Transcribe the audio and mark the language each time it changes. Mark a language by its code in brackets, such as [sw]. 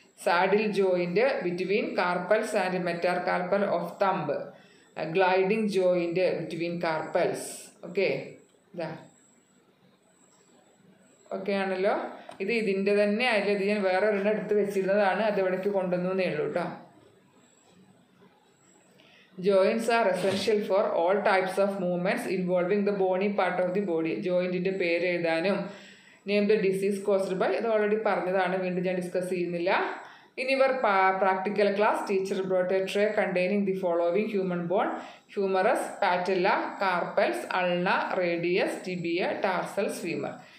[en] Saddle joint between carpals and metacarpal of thumb. Gliding joint between carpals. Okay, [ml] ഇതാ okay ആണല്ലോ. ഇത് ഇതിൻ്റെ തന്നെ അതിലത് ഞാൻ വേറെ ഒരെണ്ണം എടുത്ത് വെച്ചിരുന്നതാണ്, അത് ഇവിടേക്ക് കൊണ്ടുവന്നേ ഉള്ളൂ കേട്ടോ. [en] Joints are essential for all types of movements involving the bony part of the body. [ml] ജോയിൻറ്റിൻ്റെ പേര് എഴുതാനും [en] name the disease caused by, [ml] ഇത് ഓൾറെഡി പറഞ്ഞതാണ്, വീണ്ടും ഞാൻ ഡിസ്കസ് ചെയ്യുന്നില്ല. ഇനി ഇവർ practical class. [en] Teacher brought a tray containing the following human bone: humerus, patella, carpals, ulna, radius, tibia, tarsal, femur.